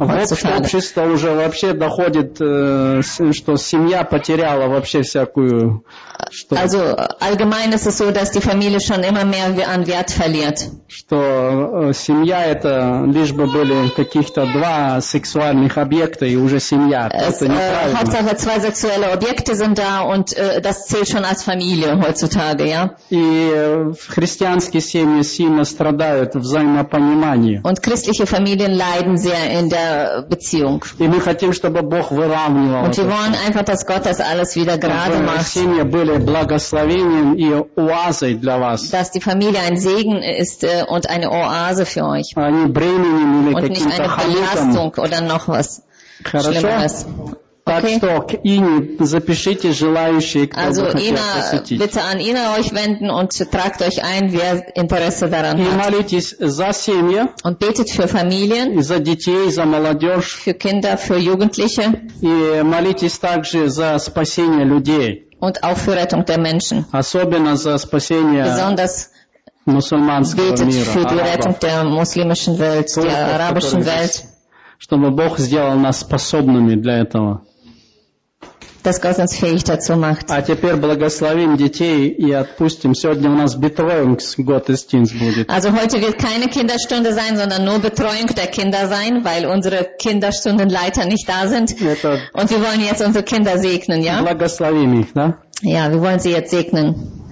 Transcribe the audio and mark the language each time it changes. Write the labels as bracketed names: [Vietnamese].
[Russian] Общество уже вообще доходит, что семья потеряла вообще всякую. Что, [German] also allgemein ist es so, dass die Familie schon immer mehr an Wert verliert. [Russian] Что семья это лишь бы были каких-то два сексуальных объекта и уже семья. Это неправильно. [German] Hauptsache zwei sexuelle Objekte sind da und das zählt schon als Familie heutzutage, ja. [Russian] И в христианской семье сильно страдают взаимопонимание. [German] Und christliche Familien leiden sehr in der Beziehung. [Russian] И мы хотим, чтобы Бог выравнивал. [German] Und wir wollen einfach, dass Gott das alles wieder gerade macht. [Russian] Чтобы семьи были благословением и оазой для вас. [German] Dass die Familie ein Segen ist und eine Oase für euch. [Russian] А не бременем или каким-то хамитом. [German] Und nicht eine Belastung oder noch was Schlimmeres. Okay. [Russian] Так что, к Ине запишите желающие, кто [German] also, [Russian] бы хотел Ina, посетить. [German] Bitte an Ina euch wenden und tragt euch ein, wer Interesse daran [Russian] и [German] hat. [Russian] И молитесь за семьи. [German] Und betet für Familien. [Russian] И за детей, за молодежь. [German] Für Kinder, für Jugendliche. [Russian] И молитесь также за спасение людей. [German] Und auch für Rettung der Menschen. [Russian] Особенно за спасение [German] Besonders [Russian] мусульманского [German] betet [Russian] мира. [German] Für die Rettung der muslimischen Welt, [Russian] Только [German] der arabischen Welt. [Russian] Чтобы Бог сделал нас способными для этого. [German] Dass Gott uns fähig dazu macht. [Russian] А теперь благословим детей и отпустим. Сегодня у нас Betreuungsgottesdienst будет. [German] Also heute wird keine Kinderstunde sein, sondern nur Betreuung der Kinder sein, weil unsere Kinderstundenleiter nicht da sind. [Russian] Это [German] Und wir wollen jetzt unsere Kinder segnen, ja? [Russian] Благословим их, да? [German] Ja, wir wollen sie jetzt segnen.